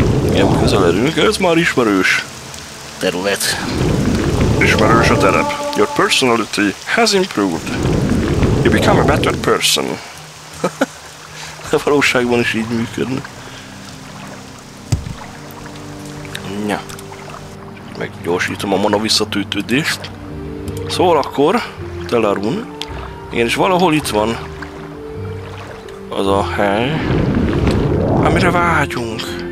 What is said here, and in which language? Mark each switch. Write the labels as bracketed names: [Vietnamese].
[Hungarian] Igen, közeledünk, ez már ismerős. Terület. Ismerős a terep. [English] Your personality has improved. You become a better person. [Hungarian] A valóságban is így működne. Nya. Meggyorsítom a mana visszatűtődést. Szóval akkor, Telarun, igen, és valahol itt van az a hely, amire vágyunk.